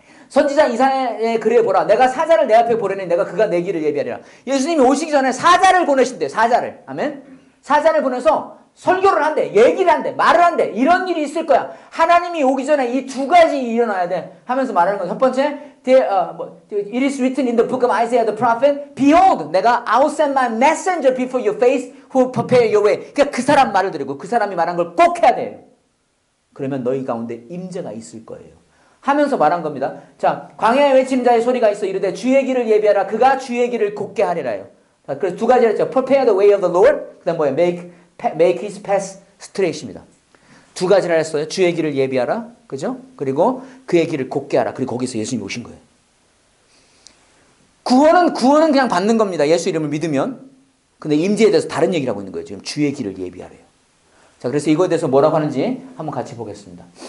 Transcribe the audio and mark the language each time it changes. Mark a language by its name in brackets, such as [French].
[Korean] 선지자 이사야의 글에 보라. 내가 사자를 내 앞에 보내니 내가 그가 내 길을 예비하리라. 예수님이 오시기 전에 사자를 보내신대. 사자를. 아멘. 사자를 보내서 설교를 한대. 얘기를 한대. 말을 한대. 이런 일이 있을 거야. 하나님이 오기 전에 이 두 가지 일어나야 돼. 하면서 말하는 거야. 첫 번째. [English] It is written in the book of Isaiah the prophet. Behold, [Korean] 내가 [English] I'll send my messenger before your face who prepare your way. [Korean] 그러니까 그 사람 말을 드리고 그 사람이 말한 걸 꼭 해야 돼. 그러면 너희 가운데 임재가 있을 거예요. 하면서 말한 겁니다. 자, 광야에 외치는 자의 소리가 있어 이르되 주의 길을 예비하라. 그가 주의 길을 곧게 하리라요. 자, 그래서 두 가지를 했죠. [English] Prepare the way of the Lord. [Korean] 그다음 뭐예요? [English] Make his path straight입니다. [Korean] 두 가지를 했어요. 주의 길을 예비하라. 그죠? 그리고 그의 길을 곧게 하라. 그리고 거기서 예수님이 오신 거예요. 구원은 그냥 받는 겁니다. 예수 이름을 믿으면. 근데 임재에 대해서 다른 얘기를 하고 있는 거예요. 지금 주의 길을 예비하래요. 자, 그래서 이거에 대해서 뭐라고 하는지 한번 같이 보겠습니다.